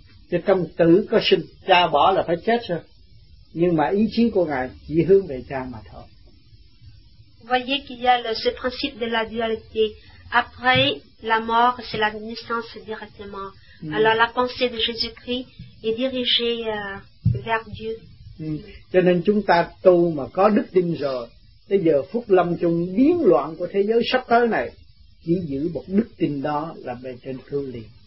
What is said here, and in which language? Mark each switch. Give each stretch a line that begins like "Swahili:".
Vietnamese: Chứ trong tử có sinh, cha bỏ là phải chết rồi. Nhưng mà ý chí của Ngài chỉ hướng về cha mà thôi.
French: Vous voyez qu'il y a ce principe de la dualité. Après la mort, c'est la naissance directement. Alors la pensée de Jésus-Christ est dirigée vers Dieu.
Vietnamese: Cho nên chúng ta tu mà có đức tin rồi, tới giờ phút lâm chung biến loạn của thế giới sắp tới này, chỉ giữ một đức tin đó là bề trên cương liền.